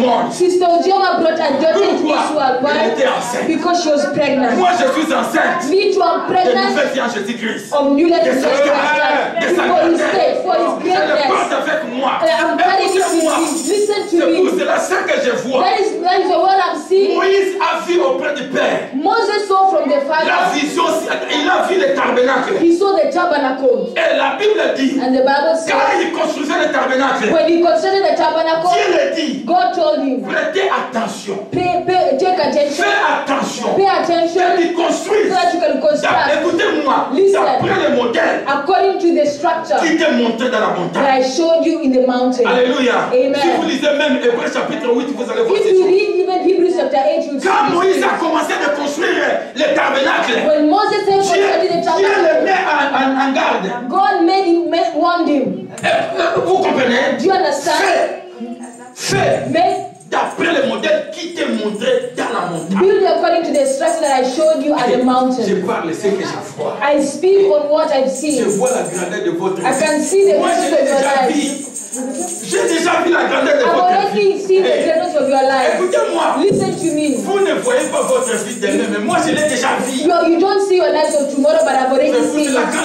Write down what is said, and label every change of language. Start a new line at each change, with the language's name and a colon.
English: Sister Ojiwa brought a daughter into this world. Why? Because she was pregnant.
French: Moi, je suis enceinte.
English: Me too, I'm pregnant.
French: De nouvelle vie en Jésus-Christ.
English: Of new life in Jesus Christ. For his sake, for his greatness. I'm telling you, listen to me.
French: C'est la scène que je vois.
English: That is what I'm seeing.
French: Moïse a vu auprès du Père.
English: Moses saw from the Father.
French: La vision, il a vu le tabernacle.
English: He saw the tabernacle.
French: Et la Bible dit.
English: And the Bible says.
French: Quand il construisait le tabernacle.
English: When he constructed the tabernacle.
French: Dieu le dit.
English: God told him.
French: Prêtez attention.
English: Pay attention.
French: Fais attention.
English: Pay attention.
French: Que tu construis.
English: So that you can construct.
French: Écoutez-moi.
English: Listen.
French: D'après le modèle.
English: According to the structure.
French: Qui t'est monté dans la montagne.
English: I showed you in the mountain.
French: Alléluia.
English: Amen.
French: Si vous lisez même Hébreux chapitre 8, vous allez voir.
English: If you read even Hebrews chapter 8, you'll see.
French: Quand Moïse a commencé de construire le tabernacle.
English: When Moses said to construct the tabernacle.
French: Dieu le met en garde.
English: God made him, warned him.
French: Vous comprenez?
English: Do you understand?
French: Fais d'après le modèle qui t'est montré dans la montagne.
English: Build according to the structure that I showed you at the mountain.
French: Je parle ce que j'ai foi.
English: I speak on what I've seen.
French: Je vois la grandeur de votre vie.
English: I can see the
French: moi,
English: greatness of your life.
French: J'ai déjà vu la grandeur de
English: I've
French: votre vie.
English: I've already seen the greatness of your life.
French: Écoutez-moi.
English: Listen to me.
French: Vous ne voyez pas votre vie demain, mais moi je l'ai déjà vu.
English: No, you don't see your life of tomorrow, but I've already seen it.